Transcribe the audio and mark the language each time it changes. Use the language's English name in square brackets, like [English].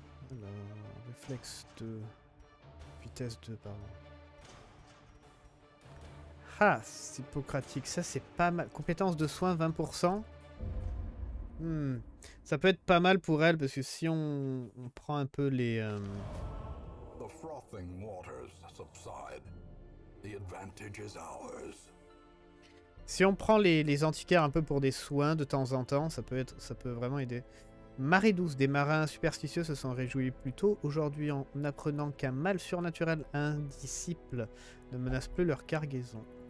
[French] Alors, réflexe 2. Vitesse 2, pardon. Ah, c'est hippocratique. Ça, c'est pas mal. Compétence de soins, 20%. Ça peut être pas mal pour elle, parce que si on prend un peu les... [English] The frothing waters subside. The advantage is ours. [French] Si on prend les antiquaires un peu pour des soins de temps en temps, ça peut vraiment aider. Marée douce, des marins superstitieux se sont réjouis plus tôt aujourd'hui en apprenant qu'un mal surnaturel indicible ne menace plus leur cargaison.